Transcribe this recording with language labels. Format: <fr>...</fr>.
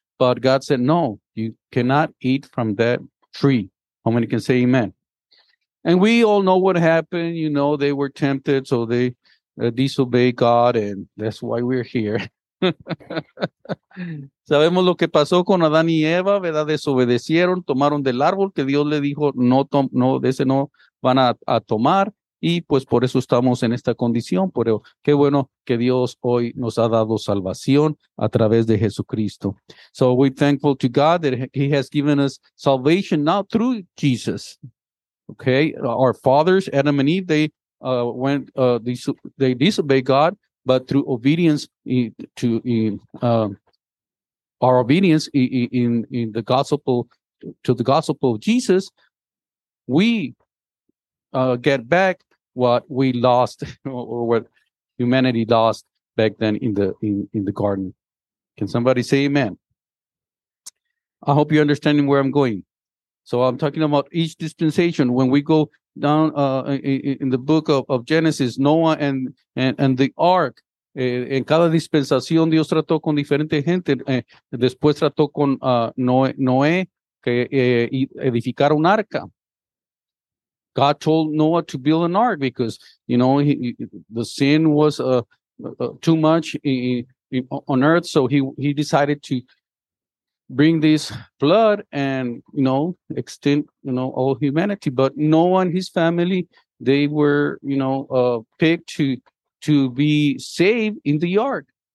<en>But God said, no, you cannot eat from that tree. How many can say amen? And we all know what happened. You know, they were tempted, so they disobeyed God, and that's why we're here.</en> <es>Sabemos lo que pasó con Adán y Eva, ¿verdad? Desobedecieron, tomaron del árbol que Dios le dijo, no, de ese no van a tomar, y pues por eso estamos en esta condición. Pero qué bueno que Dios hoy nos ha dado salvación a través de Jesucristo.</es> <en>So we're thankful to God that he has given us salvation now through Jesus. Okay, our fathers, Adam and Eve, they disobeyed God. But through obedience to the gospel of Jesus, we get back what we lost or what humanity lost back then in the garden. Can somebody say amen? I hope you're understanding where I'm going. So I'm talking about each dispensation. When we go down in the book of Genesis, Noah and the ark.</en> <es>En cada dispensación, Dios trató con diferente gente. Después trató con Noé, que edificara un arca.</es> <en>God told Noah to build an ark because, you know, the sin was too much on earth. So he decided to bring this flood and, you know, extend, you know, all humanity. But Noah and his family, they were, you know, picked to be saved in the ark.</en>